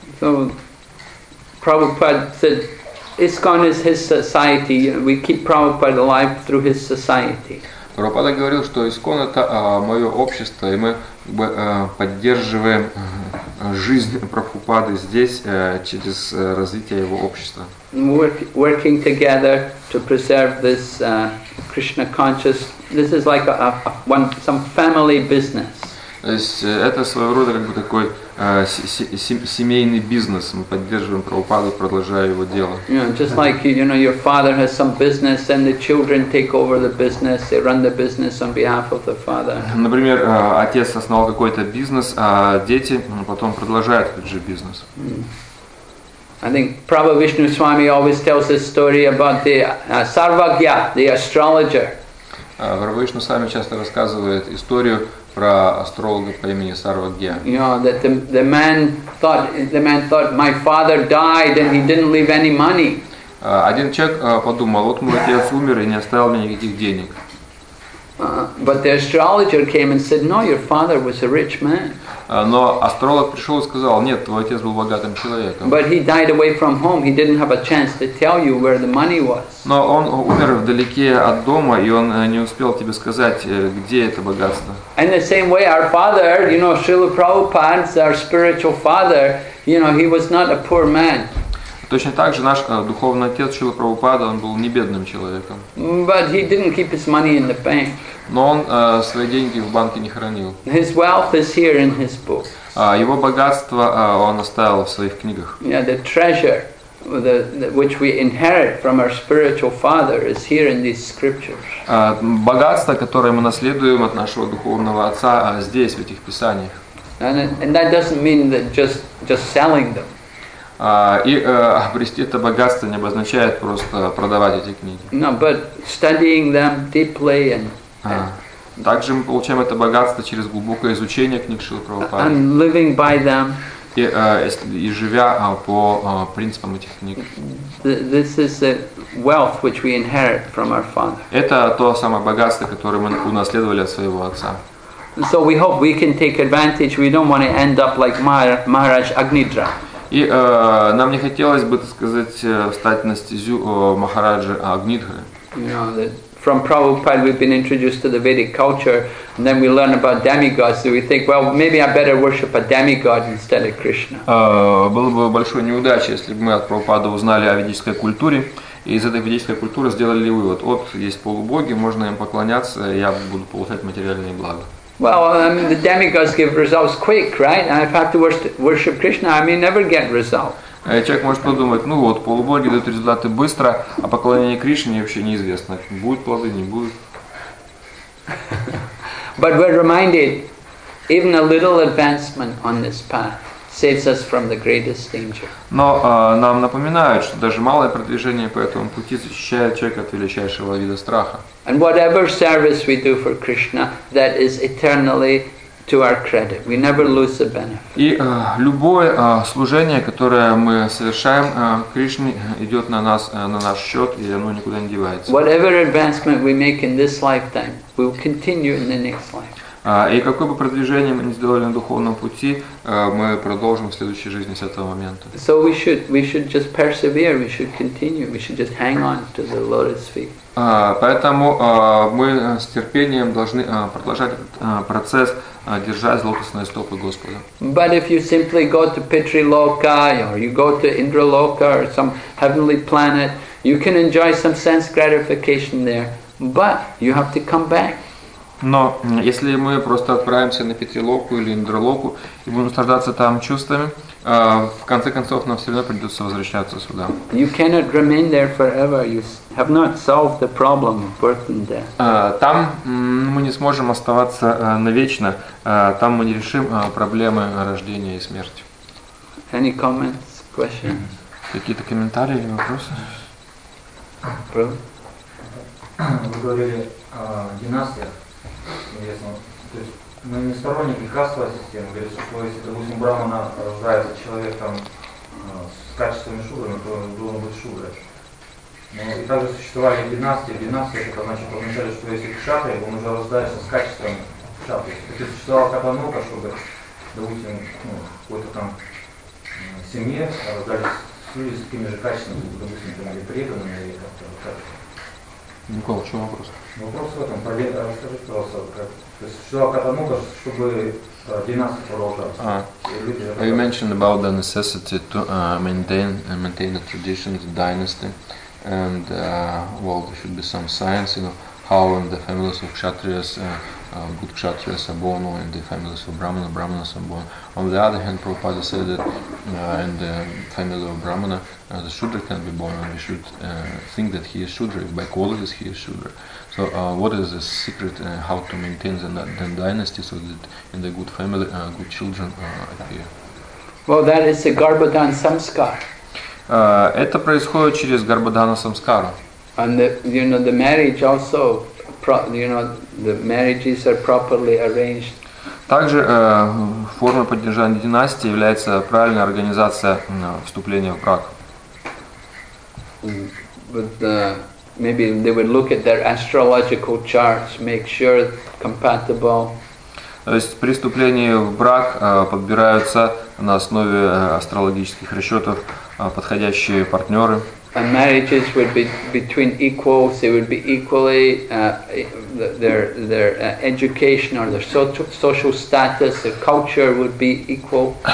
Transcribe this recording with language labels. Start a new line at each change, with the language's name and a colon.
English: So, Prabhupada said, ISKCON is his society, we keep Prabhupada alive through his society.
Russian: Прабхупада говорил, что ИСККОН – это мое общество, и мы поддерживаем жизнь Прабхупады здесь через развитие его общества.
English: Working together to preserve this Krishna consciousness, this is like some family business.
Russian: То есть это своего рода как бы такой семейный бизнес. Мы поддерживаем Прабхупаду, продолжая его дело.
English: Yeah, just like you know, your father has some business, and the children take over the business. They run the business on behalf of the father.
Russian: Например, отец основал какой-то бизнес, а дети потом продолжают этот же бизнес.
English: I think Prabhupada Vishnu Swami always tells this story about the Sarvagya, the astrologer.
Russian: Прабхупада Вишну Свами часто рассказывает историю про астролога по имени Сарвагья.
English: You know, that the man thought my father died and he didn't leave any money.
Russian: Один человек подумал, вот мой отец умер и не оставил мне никаких денег.
English: But the astrologer came and said, no, your father was a rich man.
Russian: Но астролог пришел и сказал, нет, твой отец был богатым человеком.
English: But he died away from home. He didn't have a chance to tell you where the money was.
Russian: Но он умер вдалеке от дома, и он не успел тебе сказать, где это богатство.
English: In the same way, our father, you know, Srila Prabhupada, our spiritual father, you know, he was not a poor man.
Russian: Точно так же наш духовный отец Шрила Прабхупада, он был не бедным человеком.
English: But he didn't keep his money in the bank.
Russian: Но он свои деньги в банке не хранил.
English: His wealth is here in his book.
Russian: Его богатство он оставил в своих книгах.
English: Yeah, the treasure which we inherit from our spiritual father is here in these scriptures.
Russian: Богатство, которое мы наследуем от нашего духовного отца, здесь, в этих писаниях.
English: And that doesn't mean that just selling them.
Russian: Обрести это богатство не обозначает просто продавать эти книги.
English: No, but studying them deeply and
Russian: также мы получаем это богатство через глубокое изучение книг Шрилы Прабхупады.
English: And living by them.
Russian: И живя по принципам этих книг.
English: This is the wealth which we inherit from our father.
Russian: Это то самое богатство, которое мы унаследовали от своего отца.
English: So we hope we can take advantage. We don't want to end up like Maharaj Agnidra.
Russian: И нам не хотелось бы, так сказать, стать на стезю Махараджи Агнидхары.
English: From Prabhupada we've been introduced to the Vedic culture, and then we learn about demigods, so we think, well, maybe I better worship a demigod instead of Krishna.
Russian: Было бы большой неудачей, если бы мы от Прабхупады узнали о ведической культуре, и из этой ведической культуры сделали вывод, вот есть полубоги, можно им поклоняться, я буду получать материальные блага.
English: Well, I mean, the demigods give results quick, right? And if I have to worship Krishna, I may never get results.
Russian: Человек может подумать, ну вот, полубоги дают результаты быстро, а поклонение Кришне вообще неизвестно. Будут плоды, не будут.
English: But we're reminded, even a little advancement on this path saves us from the greatest danger.
Russian: Но нам напоминают, что даже малое продвижение по этому пути защищает человека от величайшего вида страха.
English: And whatever service we do for Krishna, that is eternally to our credit. We never lose the benefit.
Russian: И любое служение, которое мы совершаем Кришне, идет на нас на наш счет, и оно никуда не девается.
English: Whatever advancement we make in this lifetime, we will continue in the next life.
Russian: И какое бы продвижение мы ни сделали на духовном пути, мы продолжим в следующей жизни с этого момента.
English: So we should just persevere, we should continue, we should just hang on to the lotus feet.
Russian: Поэтому мы с терпением должны продолжать этот процесс, держать лотосные стопы Господа.
English: But if you simply go to Pitriloka, or you go to Indraloka, or some heavenly planet, you can enjoy some sense gratification there, but you have to come back.
Russian: Но если мы просто отправимся на Пятилоку или Индралоку и будем наслаждаться там чувствами, в конце концов нам все равно придется возвращаться сюда.
English: You cannot remain there forever. You have not solved the problem of birth and death.
Russian: Там мы не сможем оставаться навечно. Там мы не решим проблемы рождения и смерти.
English: Any comments, questions?
Russian: Какие-то комментарии или вопросы? Вы говорили о династиях. То есть мы не сторонники кастовой системы, говорит, что если, допустим, брахмана рождается человек там с качествами шудры, то он должен быть шудрой. Но и также существовали династии, это значит, означали, что если кшатри, он уже рождается с качествами кшатри. То есть существовала катанука, чтобы, допустим, ну, какой-то там семье рождались люди с такими же качествами, допустим, там, или преданными, или как-то вот так. Николай, в чем вопрос? Вопрос в этом. Расскажите, пожалуйста, существовала катанука, чтобы династия продолжалась.
English: You mentioned about the necessity to maintain the tradition, the dynasty, and well, there should be some science, you know, how in the families of kshatriyas, good kshatriyas are born, or in the families of brahmana, brahmanas are born. On the other hand, Prabhupada said that in the family of brahmana, the shudra can be born, and we should think that he is shudra, if by qualities he is shudra. So what is the secret, how to maintain the dynasty, so that in the good family, good children appear? Well, that is the Garbhadhan Samskar.
Russian: Это происходит через Garbhadhana Samskara.
English: And the marriage also, the marriages are properly arranged.
Russian: Также форма поддержания династии является правильная организация вступления в брак.
English: But maybe they would look at their astrological charts, make sure it's compatible.
Russian: То есть при вступлении в брак подбираются на основе астрологических расчетов подходящие партнеры.
English: And marriages would be between equals. They would be equally their education or their social status, their culture would be equal.